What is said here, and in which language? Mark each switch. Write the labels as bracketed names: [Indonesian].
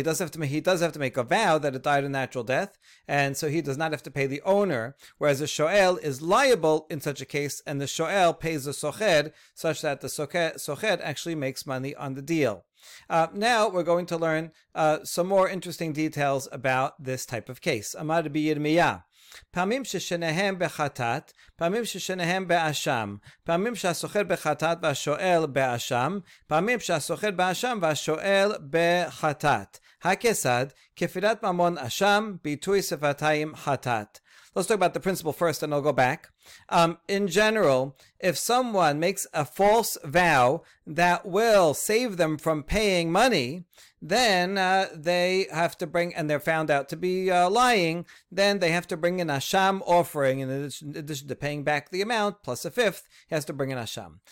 [English] He does have to make a vow that it died a natural death, and so he does not have to pay the owner, whereas the shoel is liable in such a case, and the shoel pays the socher such that the socher actually makes money on the deal. Now we're going to learn some more interesting details about this type of case. [Hebrew] Amar b'Yirmiyah. פעמים ששניהם בחטאת, פעמים ששניהם באשם, פעמים שהסוחר בחטאת והשואל באשם, פעמים שהסוחר באשם והשואל בחטאת. הכסד, כפירת ממון אשם, ביטוי שפתיים חטאת. [English] Let's talk about the principle first and I'll go back. In general, if someone makes a false vow that will save them from paying money, then they have to bring, and they're found out to be lying, then they have to bring an asham offering in addition to paying back the amount, plus a fifth, he has to bring an asham.